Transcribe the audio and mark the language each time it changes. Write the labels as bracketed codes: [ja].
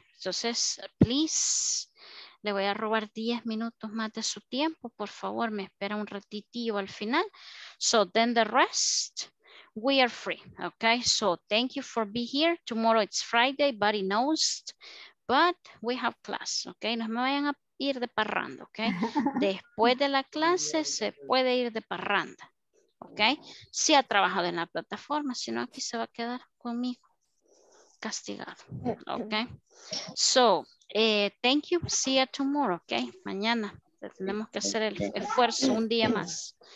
[es] Entonces, please, le voy a robar 10 minutos más de su tiempo, por favor, me espera un ratitillo al final. [en] So then the rest, we are free. Ok, so thank you for being here. Tomorrow it's Friday, but he knows. but we have class, okay? [es] No me vayan a ir de parranda, okay? Después de la clase se puede ir de parranda, okay? Si ha trabajado en la plataforma, si no aquí se va a quedar conmigo, castigado, okay? [en] So, thank you, see you tomorrow, okay? [es] Mañana, tenemos que hacer el esfuerzo un día más.